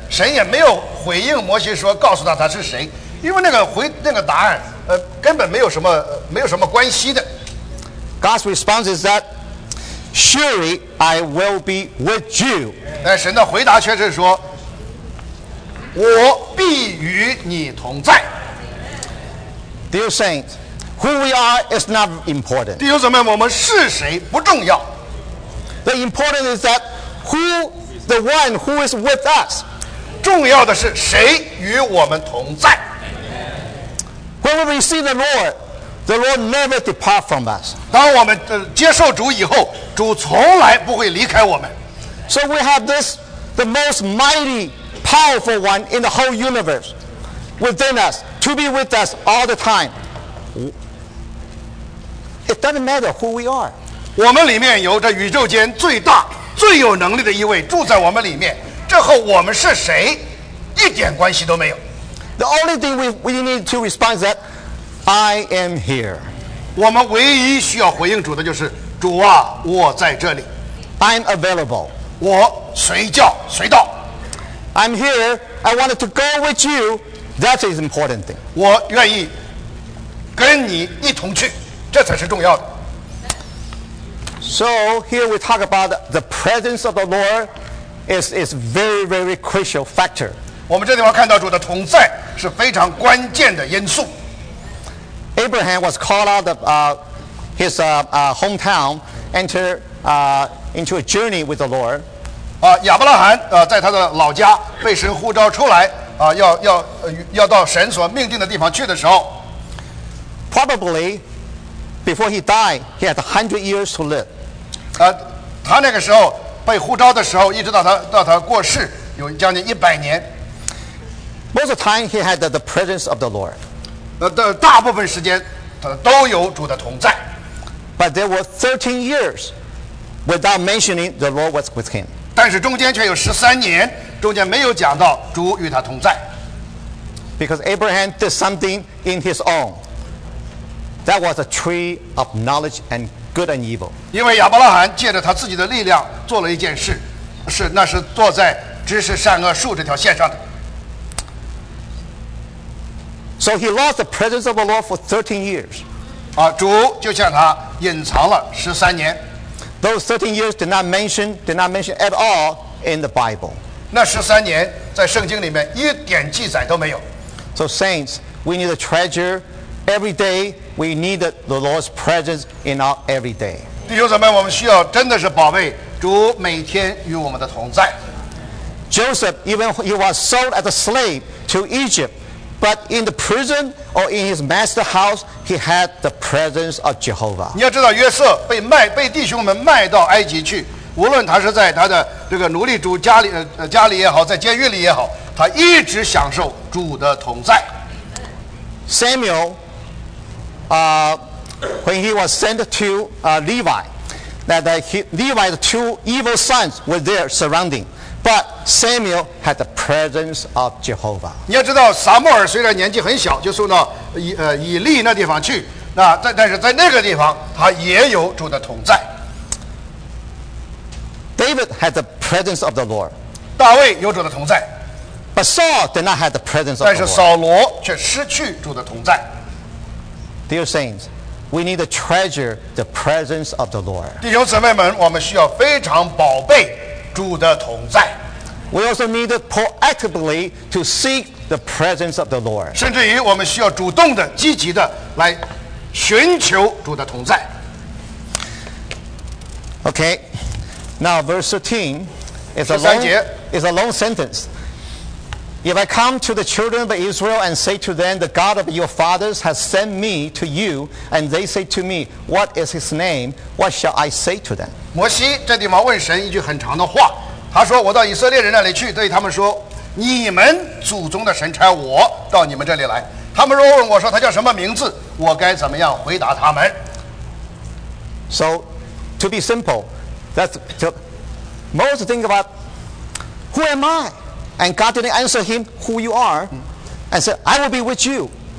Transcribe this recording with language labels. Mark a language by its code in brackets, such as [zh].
[zh] 神也没有回应摩西说告诉他是谁，因为那个答案根本没有什么关系的。 [en] God's response is that surely I will be with you. [zh] 但神的回答却是说我必与你同在。 [en] Dear saints, who we are is not important. [zh] 弟兄姊妹，我们是谁不重要。 [en] The important is that who the one who is with us. [zh] 重要的是谁与我们同在。 [en] When we receive the Lord, the Lord never depart from us. [zh] 当我们接受主以后，主从来不会离开我们。 [en] So we have this the most mighty, powerful one in the whole universe within us. To be with us all the time. It doesn't matter who we are. [zh] 我们里面有着宇宙间最大、最有能力的一位住在我们里面，这和我们是谁一点关系都没有。 [en] The only thing we need to respond is that I am here. [zh] 我们唯一需要回应主的就是主啊，我在这里。 [en] I'm available. [zh] 我随叫随到。 [en] I'm here. I wanted to go with you. That is important thing. [zh] 我愿意跟你一同去，这才是重要的。 [en] So here we talk about the presence of the Lord is very, very crucial factor. [zh] 我们这地方看到主的同在是非常关键的因素。 [en] Abraham was called out of hometown, entered into a journey with the Lord. [zh] 亚伯拉罕在他的老家被神呼召出来。要到神所命定的地方去的时候 [en] ，probably before he died, he had 100 years to live. [zh] 他那个时候被呼召的时候，一直到他过世，有将近100年。 [en] Most of the time he had the presence of the Lord. [zh] 大部分时间他都有主的同在。 [en] But there were 13 years without mentioning the Lord was with him. [zh] 但是中间却有13年。中间没有讲到主与他同在 [en] ，because Abraham did something in his own. That was a tree of knowledge and good and evil. [zh] 因为亚伯拉罕借着他自己的力量做了一件事，那是坐在知识善恶树这条线上的。 [en] So he lost the presence of the Lord for 13 years. [zh] 主就向他隐藏了13年。 [en] Those 13 years did not mention at all in the Bible. [zh] 那13年在圣经里面一点记载都没有。 [en] So saints, we need a treasure every day. We need the Lord's presence in our every day. [zh] 弟兄姊妹，我们需要真的是宝贝主每天与我们的同在。 [en] Joseph, even he was sold as a slave to Egypt, but in the prison or in his master's house, he had the presence of Jehovah. [zh] 你要知道，约瑟被弟兄们卖到埃及去。无论他是在他的这个奴隶主家里也好，在监狱里也好，他一直享受主的同在。 [en] Samuel, when he was sent to Levi, Levi's two evil sons were there surrounding, but Samuel had the presence of Jehovah. [zh] 你要知道，撒母耳虽然年纪很小，就送到以利那地方去，但是在那个地方，他也有主的同在。 [en] David had the presence of the Lord. [zh] 大卫有主的同在。 [en] But Saul did not have the presence of the Lord. [zh] 但是扫罗却失去主的同在。 [en] Dear saints, we need to treasure the presence of the Lord. [zh] 弟兄姊妹们，我们需要非常宝贝主的同在。 [en] We also need to proactively to seek the presence of the Lord. [zh] 甚至于我们需要主动的、积极的来寻求主的同在。 [en] Okay. Now, verse 13 is a long sentence. If I come to the children of Israel and say to them, the God of your fathers has sent me to you, and they say to me, what is his name? What shall I say to them? [zh] 摩西这地方问神一句很长的话。他说，我到以色列人那里去，对他们说，你们祖宗的神差我到你们这里来。他们若问我说，他叫什么名字？我该怎么样回答他们？ [en] So, to be simple,Moses think about who am I, and God didn't answer him who you are, and said I will be with you.